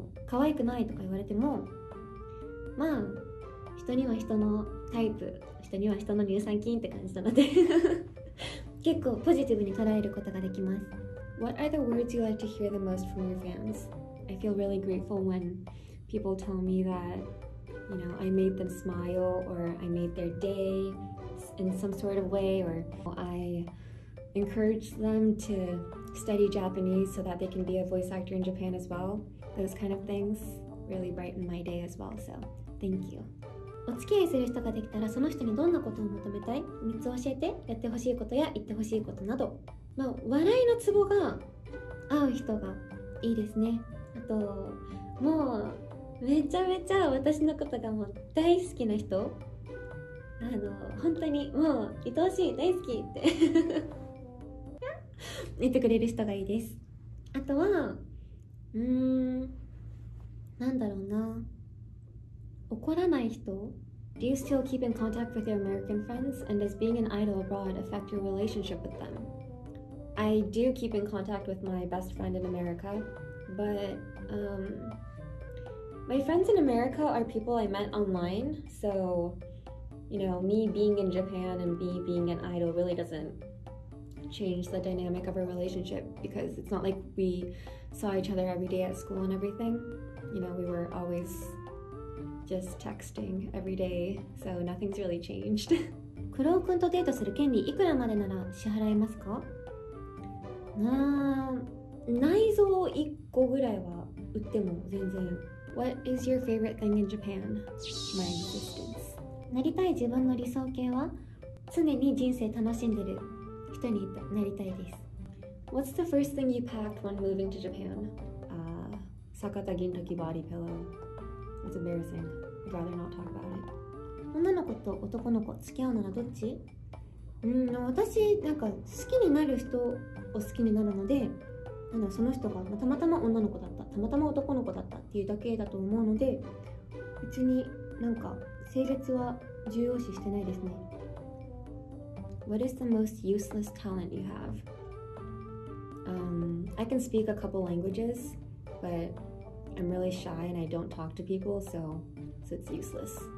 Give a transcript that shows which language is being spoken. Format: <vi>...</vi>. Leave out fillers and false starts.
<ja>可愛くないとか言われても、まあ人には人のタイプ、人には人の乳酸菌って感じなので結構ポジティブに捉えることができます。</ja> <en>What are the words you like to hear the most from your fans? I feel really grateful when people tell me that, you know, I made them smile or I made their day in some sort of way, or I encouraged them to study Japanese so that they can be a voice actor in Japan as well. Those kind of things really brighten my day as well, so thank you.</en> <ja>お付き合いする人ができたらその人にどんなことを求めたい、3つ教えて、やってほしいことや言ってほしいことなど、まあ、笑いのツボが合う人がいいですね。あと、もうめちゃめちゃ私のことがもう大好きな人、あの本当にもう愛おしい、大好きって言ってくれる人がいいです。あとは、なんだろうな、怒らない人。</ja> <en>Do you still keep in contact with your American friends? And does being an idol abroad affect your relationship with them? I do keep in contact with my best friend in America, but my friends in America are people I met online, so you know, me being in Japan and me being an idol really doesn't change the dynamic of our relationship, because it's not like we saw each other every day at school and everything. You know, we were alwaysjust texting every day, so nothing's really changed.</en> <ja>クロウ君とデートする権利いくらまでなら支払いますか？まあ、内臓1個ぐらいは売っても全然。</ja> <en>What is your favorite thing in Japan? My existence.</en> <ja>なりたい自分の理想形は、常に人生楽しんでる人になりたいです。</ja> <en>What's the first thing you packed when moving to Japan?</en> <ja>坂田銀時バーディピロー。</ja> <en>It's embarrassing. I'd rather not talk about it.</en> <ja>女の子と男の子付き合うならどっち？私なんか好きになる人を好きになるので、なんかその人がたまたま女の子だった、たまたま男の子だったっていうだけだと思うので、別になんか性別は重要視してないですね。</ja> <en>What is the most useless talent you have? I can speak a couple languages, but. I'm really shy and I don't talk to people, so it's useless.</en>